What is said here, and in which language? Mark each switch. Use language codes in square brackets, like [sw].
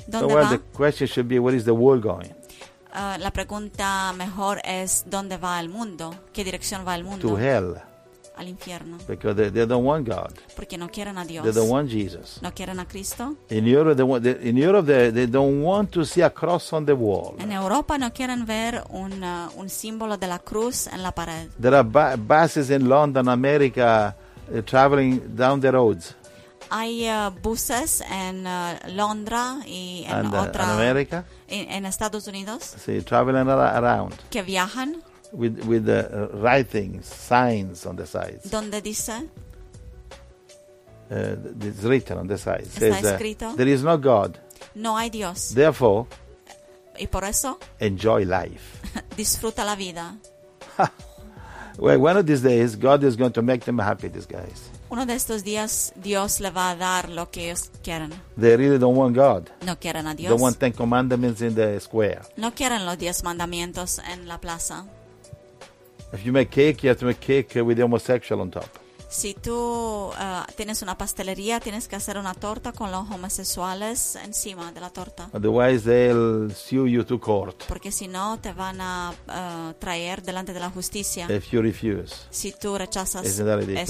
[es] ¿Dónde [en] so [es] va? [en] The question should be, where is the world going? [es] La pregunta mejor es dónde va el mundo, qué dirección va el mundo. [en] To hell. [es] Al infierno. [en] Because they don't want God. [es] Porque no quieren a Dios. [en] They don't want Jesus. [es] No quieren a Cristo. [en] In Europe, they don't want to see a cross on the wall. [es] En Europa no quieren ver un símbolo de la cruz en la pared. [en] There are buses in London, America, traveling down the roads. [es] Hay buses en Londres y en otra en América en Estados Unidos. [en] Sí, traveling around. [es] Que viajan [en] with the writing signs on the sides. [es] ¿Dónde dice? [en] It's written on the sides. [es] Está escrito. [en] There is no God. [es] No hay Dios. [en] Therefore. [es] Y por eso. [en] Enjoy life. [es] Disfruta la vida. [en] Well, one of these days, God is going to make them happy, these guys. [es] Uno de estos días, Dios le va a dar lo que ellos quieren. [en] They really don't want God. [es] No quieren a Dios. [en] They want 10 commandments in the square. [es] No quieren los 10 mandamientos en la plaza. [en] If you make cake, you have to make cake with the homosexual on top. [es] Si tú tienes una pastelería, tienes que hacer una torta con los homosexuales encima de la torta. [en] Otherwise, they'll sue you to court. [es] Porque si no, te van a traer delante de la justicia. [en] If you refuse. [es] Si tú rechazas [en] eso. Isn't that ridiculous?